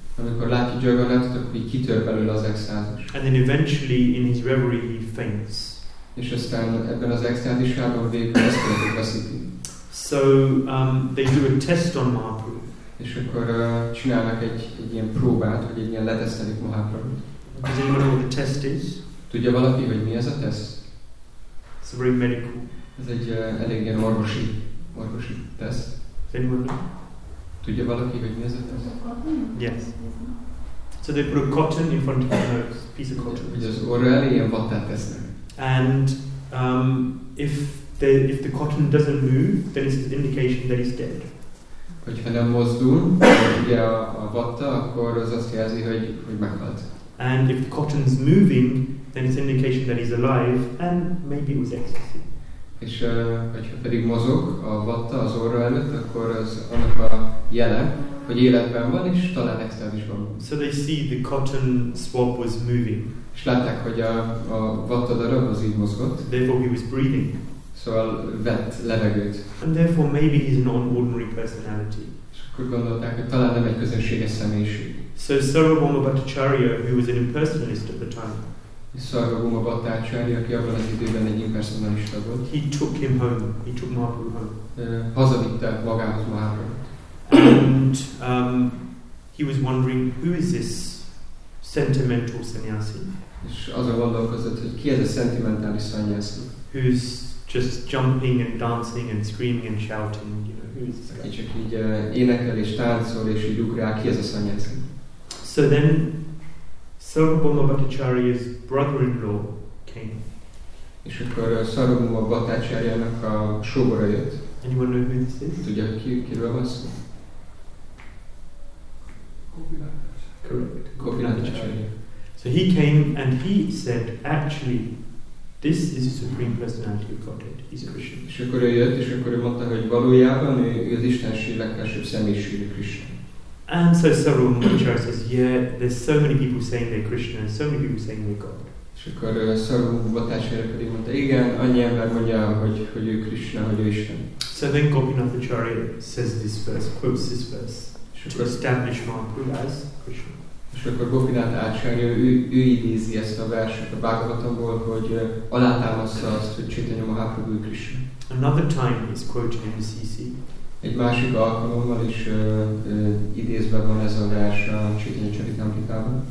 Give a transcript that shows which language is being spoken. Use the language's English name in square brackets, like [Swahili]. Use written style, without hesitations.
[Hungarian] Amikor látja Jagannath, akkor így kitör belőle az extázis. [English] And then eventually, in his reverie, he faints. [Hungarian] És aztán ebben az extázisában végül eszméletet veszíti. [English] So they do a test on Mahaprabhu. [Hungarian] És akkor csinálnak egy ilyen próbát, hogy egy ilyen letesztelik Mahaprabhut. [English] Does anyone know what the test is? [Hungarian] Tudja valaki, hogy mi ez a teszt? [English] It's very medical. [Hungarian] Ez egy elég ilyen orvosi teszt. [English] Does anyone know? [Hungarian] Tudja valaki, hogy mi ez a teszt? [English] Yes. So they put a cotton in front of the nose, piece of cotton. [Hungarian] Ugye az orra elé ilyen vattát tesznek. [English] And if the cotton doesn't move, then it's an indication that he's dead. [Hungarian] Hogyha nem mozdul, ugye a vatta, akkor az azt jelzi, hogy meghalt. [English] And if the cotton's moving, then it's an indication that he's alive, and maybe it was ecstasy. [Hungarian] És hogyha pedig mozog a vatta az orra előtt, akkor az annak a jele, hogy életben van, és talán extázisban van. [English] So they see the cotton swab was moving. [Hungarian] És látták, hogy a vatta darab az így mozgott. [English] Therefore he was breathing. [Hungarian] Szóval vett levegőt. [English] And therefore maybe he's an ordinary personality. [Hungarian] És akkor gondolták, hogy talán nem egy közönséges személyiség. [English] So Sarvabhauma Bhattacharya, who was an impersonalist at the time. [Hungarian] És Sarvabhauma Bhattacharya, aki abban az időben egy impersonalista volt. [English] He took him home. He took Mahaprabhu home. [Hungarian] Hazavitte magához Mahaprabhut. [English] And he was wondering, who is this sentimental sannyasi? [Hungarian] És azon gondolkozott, hogy ki ez a szentimentális sannyasi? [English] Who's just jumping and dancing and screaming and shouting? You know, who is this guy? [Hungarian] Aki csak így énekel és táncol és így ugrál, ki ez a sannyasi? [English] So then, Sarvabhauma Bhattacharya's brother-in-law came. [Hungarian] És akkor Sarvabhauma Bhattacharyának a sógora jött. [English] Anyone know who this is? [Hungarian] Tudja, kiről van szó? [English] Correct. Gopinathacharya. So he came and he said, actually, this is the Supreme Personality of Godhead. He's Krishna. [Hungarian] És akkor ő jött, és akkor ő mondta, hogy valójában ő az Istenség legfelsőbb személyisége, Krishna. [English] And so Sarvabhauma Bhattacharya says, yeah, there's so many people saying they're Krishna, and so many people saying they're God. [Hungarian] És akkor Sarvabhauma Bhattacharya pedig mondta, igen, annyi ember mondja, hogy ő Krishna, hogy ő Isten. [English] So then Gopinathacharya says this verse, quotes this verse. To establish Mahaprabhu as Krishna. [Hungarian] És akkor Gopinath Acharya, ő idézi ezt a verset a Bhagavatamból, hogy alátámasztja azt, hogy Chaitanya Mahaprabhu Krishna. [English] Another time he's quoted in the CC. [Hungarian] Egy másik alkalommal is idézve van ez a vers a Chaitanya Charitamritában.